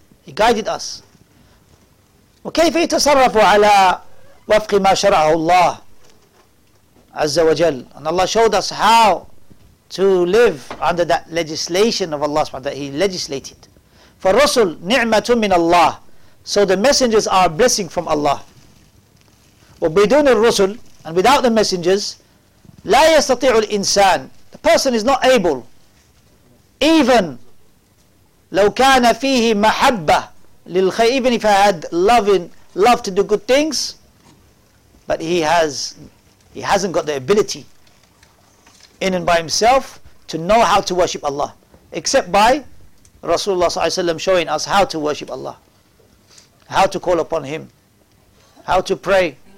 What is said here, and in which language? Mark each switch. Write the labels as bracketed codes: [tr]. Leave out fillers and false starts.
[en] He guided us. [ar] وَكَيْفَ يَتَصَرَّفُ عَلَىٰ وَفْقِ مَا شَرَعَهُ اللَّهُ عَزَّ وَجَلَّ. [en] And Allah showed us how to live under that legislation of Allah subhanahu wa ta'ala that He legislated. [ar] فَالرَّسُلْ نِعْمَةٌ مِّنَ اللَّهِ. [en] So the messengers are a blessing from Allah. [ar] وَبِدُونِ الرَّسُلِ. [en] And without the messengers, [ar] لا يستطيع الإنسان. [en] The person is not able, even [ar] لو كان فيه محبة للخير, [en] even if he had love to do good things, but he hasn't got the ability in and by himself to know how to worship Allah, except by Rasulullah sallallahu alayhi wa sallam showing us how to worship Allah, how to call upon him, how to pray.